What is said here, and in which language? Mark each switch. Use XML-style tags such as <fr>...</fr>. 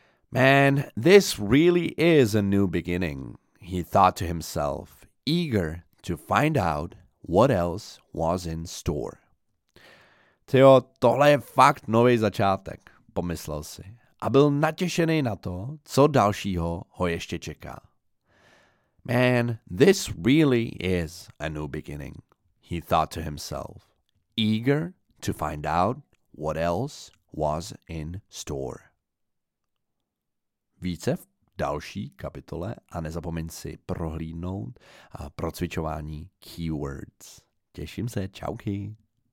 <en>Man, this really is a new beginning, he thought to himself, eager to find out what else was in store.</en> <cs>Tyjo, tohle je fakt nový začátek, pomyslel si. A byl natěšený na to, co dalšího ho ještě čeká.</cs> <en>Man, this really is a new beginning, he thought to himself, eager to find out what else was in store.</en> <cs>Více v další kapitole a nezapomeň si prohlídnout a procvičování keywords. Těším se, čauky.</cs>